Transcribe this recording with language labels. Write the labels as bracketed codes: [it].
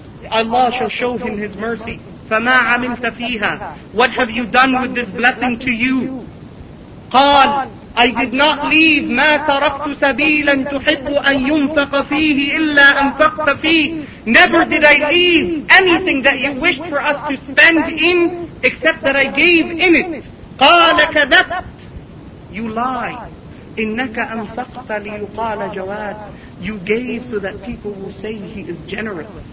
[en] Allah shall show him his mercy. [ar] فما عملت فيها, [en] what have you done with this blessing to you? [ar] قال, [en] I did not leave [ar] ما تركت سبيلا تحب أن ينفق فيه إلا أنفقت فيه. [en] Never did I leave anything that you wished for us to spend in except that I gave in it. [ar] قال كذبت, [en] you lie. [ar] إنك أنفقت ليقال جواد, [en] you gave so that people will say he is generous.